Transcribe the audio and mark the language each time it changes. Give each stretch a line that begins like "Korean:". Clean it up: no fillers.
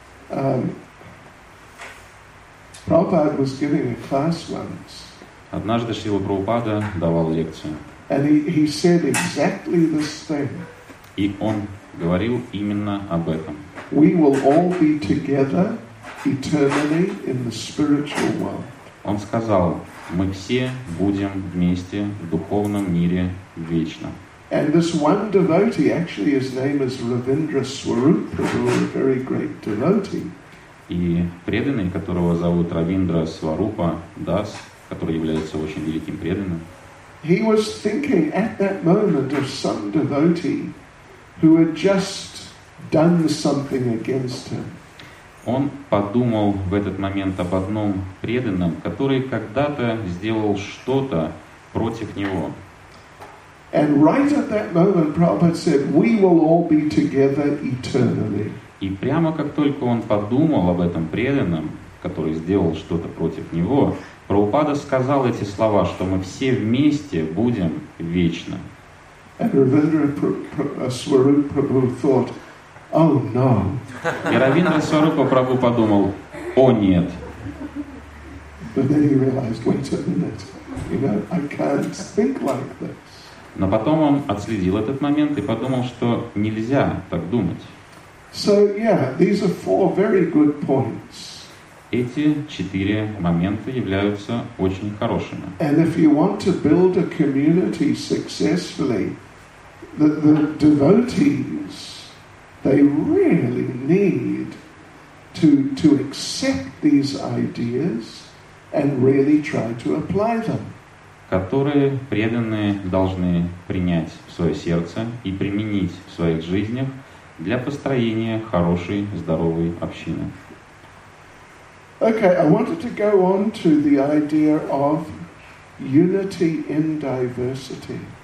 English: Yeah. Prabhupada was giving a class once.
Russian: Однажды Шрила Прабхупада давал лекцию.
English: And he said exactly this thing.
Russian: И он говорил именно об этом.
English: We will all be together eternally in the spiritual world.
Russian: Он сказал: мы все будем вместе в духовном мире вечно.
English: And this one devotee, actually his name is Ravindra Swarup Prabhu, a very great devotee.
Russian: И преданный, которого зовут Равиндра Сварупа Дас, который является очень великим преданным.
English: He was thinking at that moment of some devotee who had just done something against him.
Russian: Он подумал в этот момент об одном преданном, который когда-то сделал что-то против него.
English: And right at that moment, Prabhupada said, "We will all be together eternally."
Russian: И прямо как только он подумал об этом преданном, который сделал что-то против него, Прабхупада сказал эти слова, что мы все вместе будем вечно.
English: And Ravindra Swarup Prabhu thought, Oh no.
Russian: И Равиндра Сварупа Прабху подумал: о нет.
English: But then he realized, wait a minute, you know, I can't think like this.
Russian: Но потом он отследил этот момент и подумал, что нельзя так думать.
English: So yeah, these are four very good points.
Russian: Эти четыре момента являются очень хорошими.
English: And if you want to build a community successfully, the devotees, they really need to accept these ideas and really try to apply them.
Russian: Которые преданные должны принять в свое сердце и применить в своих жизнях для построения хорошей, здоровой общины.
English: Okay, I wanted to go on to the idea of unity in diversity.